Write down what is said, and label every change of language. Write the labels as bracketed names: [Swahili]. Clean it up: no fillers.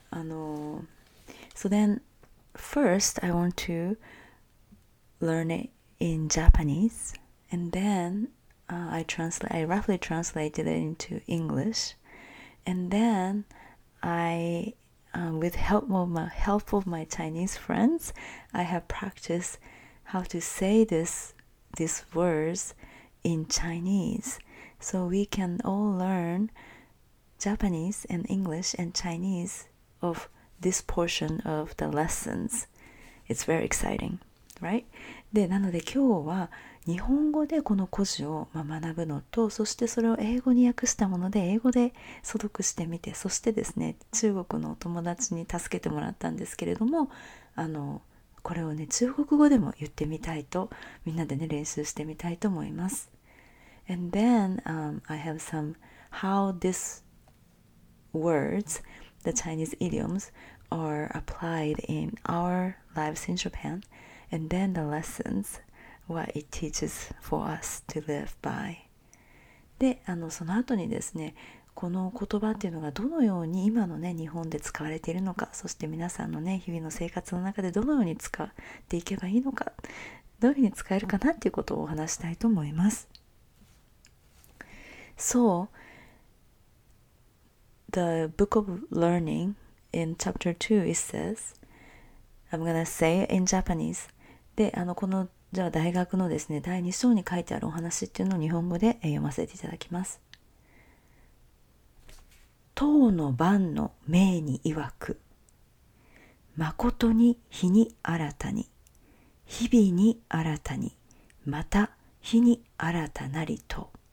[English] So then first I want to learn it in Japanese, and then I roughly translated it into English, and thenwith help of my Chinese friends, I have practiced how to say these words in Chinese. So we can all learn Japanese and English and Chinese of this portion of the lessons. It's very exciting, right? [Japanese] で、なので今日は日本語でこの故事を、まあ、学ぶのと、そしてそれを英語に訳したもので英語で素読してみて、そしてですね、中国のお友達に助けてもらったんですけれども、あの、これをね、中国語でも言ってみたいと、みんなでね、練習してみたいと思います。 [English] And then, I have some how these words, the Chinese idioms, are applied in our lives in Japan, and then the lessons.What it teaches for us to live by. [Japanese] で、その後にですね、この言葉っていうのがどのように今のね、日本で使われているのか、そして皆さんのね、日々の生活の中でどのように使っていけばいいのか、どういうふうに使えるかなっていうことをお話したいと思います。 [English] So, the Book of Learning in Chapter 2, it says, I'm gonna say in Japanese. [Japanese] で、この、じゃあ大学のですね、第2章に書いてあるお話っていうのを日本語で読ませていただきます。唐の晩の銘に曰く、誠に日に新たに、日々に新たに、また日に新たなりと。